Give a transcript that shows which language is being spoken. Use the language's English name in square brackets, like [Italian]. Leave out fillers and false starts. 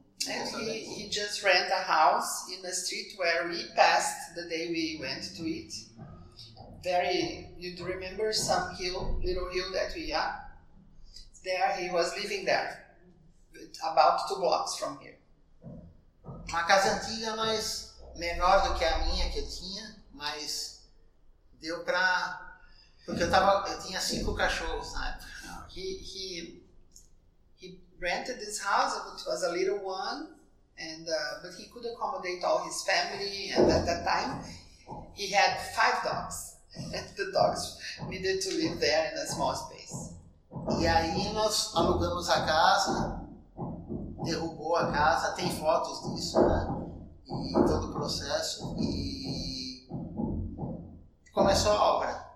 [English] And he just rent a house in the street where we passed the day we went to it. Very, you do remember some hill, little hill that we are? There he was living there, about 2 blocks from here. [Portuguese] Uma casa antiga, mas menor do que a minha que eu tinha, mas deu pra, porque eu tinha 5 cachorros na época. [English] He rented this house, it was a little one, but he could accommodate all his family, and at that time he had 5 dogs, and the dogs needed to live there in a small space. [Portuguese] E aí nós alugamos a casa, derrubou a casa, tem fotos disso, né, e todo o processo, e começou a obra.